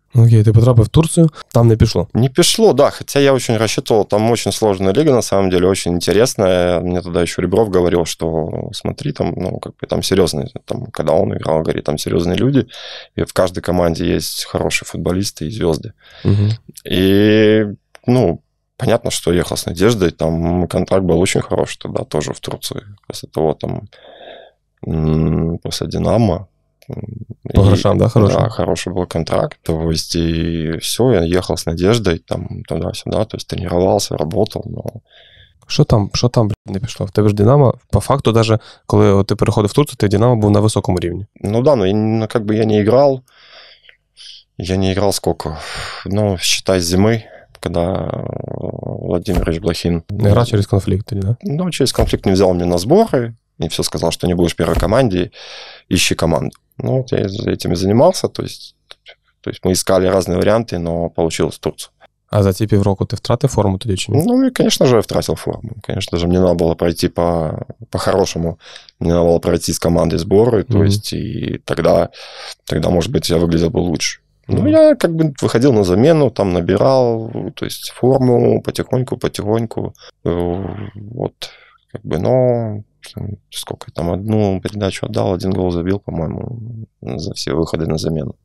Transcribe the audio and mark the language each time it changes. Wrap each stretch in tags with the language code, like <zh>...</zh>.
<uk>Окей, ти потрапив в Турцію, там не пішло. Не пішло, да, хоча я дуже рассчитывал, там дуже сложна ліга,</uk> <ru>на самом деле,</ru> <uk>дуже цікава. Мені тоді ще Рібров говорив, що, смотри, там,</uk> <ru>ну, как бы,</ru> <uk>там серйозні, там, коли він грав, говорить, там серйозні люди, і в кожній команді є хороші футболісти і зірки.</uk> <ru>І, ну, понятно, что ехал с надеждой, там контракт был очень хороший тогда тоже в Турции. После того там, после Динамо.</ru> <uk>По грошам, да, хороший?</uk> <ru>Да, хороший был контракт, то есть и все, я ехал с надеждой там туда-сюда, то есть тренировался, работал, но...</ru> <uk>Що там, блядь, не пішло? В тебе ж Динамо, по факту, даже коли ти переходив в Турцию, ти Динамо був на високому рівні.</uk> <ru>Ну да, ну, как бы я не играл, сколько, ну, считай, зимы, когда Владимир Ильич Блохин... Игра через конфликт, или да? Ну, через конфликт не взял меня на сборы, и все сказал, что не будешь в первой команде, ищи команду. Ну, вот я этим и занимался, то есть мы искали разные варианты, но получилось в Турцию.</ru> <uk>А за те півроку ты втратил форму туди чи ні?</uk> <ru>Ну, и, конечно же, я втратил форму. Конечно же, мне надо было пройти по-хорошему, мне надо было пройти с командой сборы, то mm-hmm. есть, и тогда, может быть, я выглядел бы лучше. Ну, я как бы выходил на замену, там набирал, то есть форму потихоньку, вот, как бы, но сколько там, одну передачу отдал, один гол забил, по-моему, за все выходы на замену.</ru>